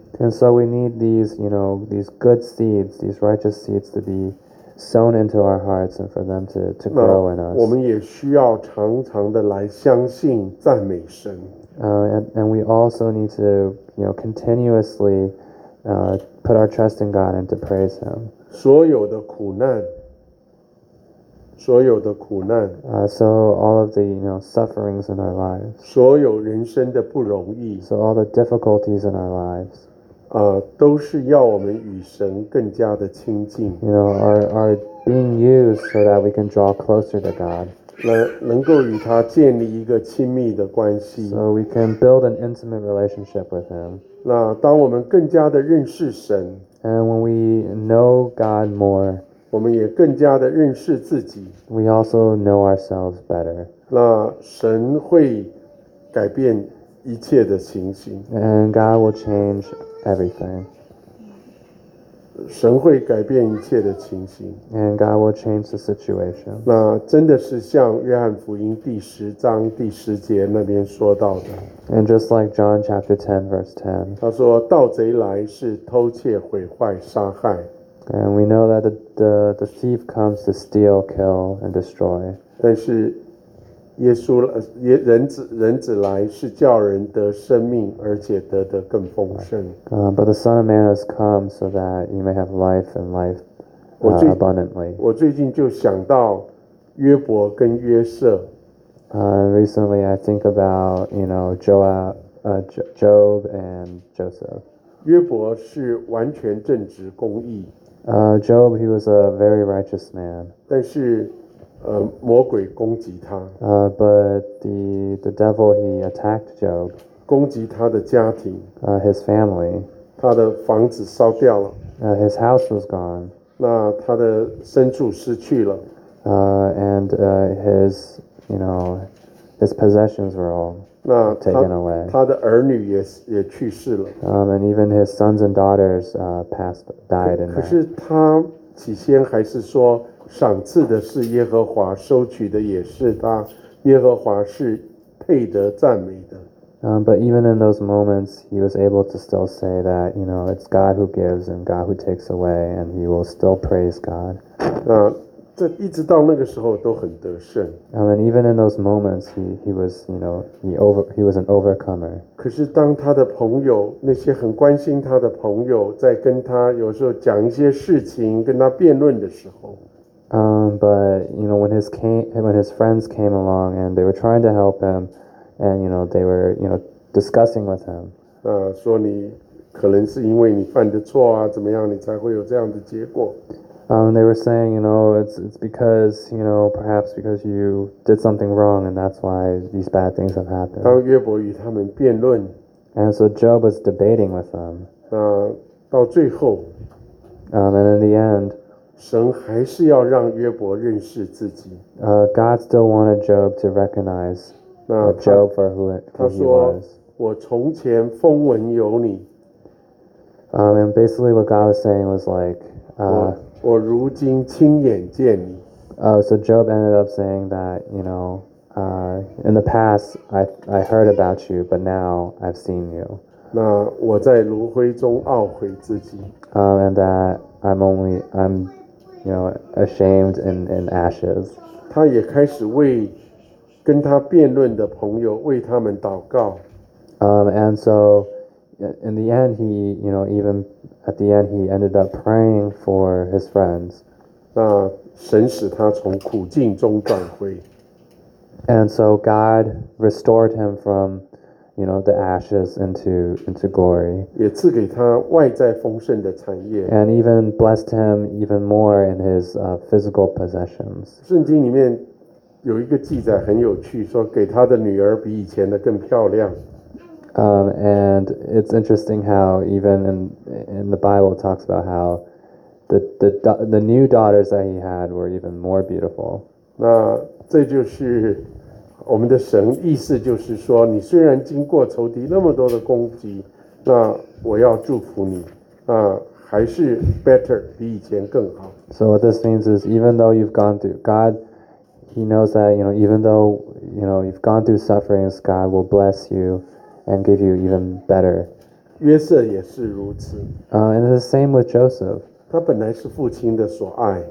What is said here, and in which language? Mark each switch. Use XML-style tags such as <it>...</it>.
<en>And so we need these, you know, these good seeds, these righteous seeds to be sown into our hearts and for them to grow in us.</en> <zh>我们也需要常常的来相信、赞美神。</zh> <en>And we also need to, you know, continuously put our trust in God and to praise Him.</en> <zh>所有的苦难。所有的苦难</zh> <en>so all of the, you know, sufferings in our lives.</en> <zh>所有人生的不容易</zh> <en>So all the difficulties in our lives.</en> <zh>都是要我们与神更加的亲近</zh> <en>You know, are being used so that we can draw closer to God.</en> <zh>能够与他建立一个亲密的关系</zh> <en>So we can build an intimate relationship with him.</en> <zh>那当我们更加的认识神</zh> <en>And when we know God more,</en> <zh>我们也更加的认识自己。</zh> <en>We also know ourselves better.</en> <zh>那神会改变一切的情形。</zh> <en>And God will change everything.</en> <zh>神会改变一切的情形。</zh> <en>And God will change the situation.</en> <zh>那真的是像约翰福音第十章第十节那边说到的。</zh> <en>And just like John chapter 10 verse 10.</en> <zh>他说盗贼来是偷窃毁坏杀害。</zh> <en>And we know that the thief comes to steal, kill, and destroy.</en> <zh>但是人子来是叫人得生命，而且得的更丰盛。</zh> <en>But the Son of Man has come so that you may have life and life abundantly.</en> <zh>我最近就想到约伯跟约瑟。</zh> <en>Recently, I think about you know Job and Joseph.</en> <zh>约伯是完全正直公义。</zh> <en>Job, he was a very righteous man.</en> <zh>但是，魔鬼攻击他。</zh> <en>But the devil he attacked Job.</en> <zh>攻击他的家庭。</zh> <en>His family.</en> <zh>他的房子烧掉了。</zh> <en>His house was gone.</en> <zh>那他的牲畜失去了。</zh> <en>His, you know, his possessions were all taken away.</en> <zh>他的儿女也去世了。</zh> <en>And even his sons and daughters died in that.</en> <zh>可是他起先还是说，赏赐的是耶和华，收取的也是他，耶和华是配得赞美的。</zh> <en>But even in those moments, he was able to still say that, you know, it's God who gives and God who takes away, and he will still praise God.</en> <zh>这一直到那个时候都很得胜。</zh> <en>And even in those moments, he was, you know, he was an overcomer.</en> <zh>可是当他的朋友，那些很关心他的朋友，在跟他有时候讲一些事情，跟他辩论的时候。</zh> <en>But you know, when his friends came along and they were trying to help him, and you know, they were, you know, discussing with him.</en> <zh>说你可能是因为你犯的错啊，怎么样，你才会有这样的结果。</zh> <en>They were saying, you know, it's because, you know, perhaps because you did something wrong and that's why these bad things have happened.</en> <zh>当约伯与他们辩论。</zh> <en>And so Job was debating with them.</en> <zh>到最后。</zh> <en>And in the end,</en> <zh>神还是要让约伯认识自己。</zh> <en>God still wanted Job to recognize</en> <zh>那他</zh> <en>Job for who he was.</en> <zh>他说我从前风闻有你。</zh> <en>And basically what God was saying was like,</en> <zh>我如今亲眼见你。</zh> <en>So Job ended up saying that, you know, in the past I heard about you, but now I've seen you.</en> <zh>那我在炉灰中懊悔自己。</zh> <en>And that I'm you know, ashamed in ashes.</en> <zh>他也开始为跟他辩论的朋友为他们祷告。</zh> <en>And so in the end, he, you know, even at the end, he ended up praying for his friends.</en> <zh>那神使他从苦境中转回。</zh> <en>And so God restored him from, you know, the ashes into glory.</en> <zh>也赐给他外在丰盛的产业。</zh> <en>And even blessed him even more in his physical possessions.</en> <zh>圣经里面有一个记载很有趣，说给他的女儿比以前的更漂亮。</zh> <en>And it's interesting how even in the Bible it talks about how the new daughters that he had were even more beautiful.</en> <zh>那这就是我们的神意思，就是说你虽然经过仇敌那么多的攻击，那我要祝福你，那还是</zh> <en>better</en> <zh>比以前更好。</zh> <en>So what this means is even though you've gone through God. He knows that, you know, even though, you know, you've gone through sufferings, God will bless you and give you even better.</en> <zh>约瑟也是如此。</zh> <en>And it's the same with Joseph.</en> <zh>他本来是父亲的所爱。</zh>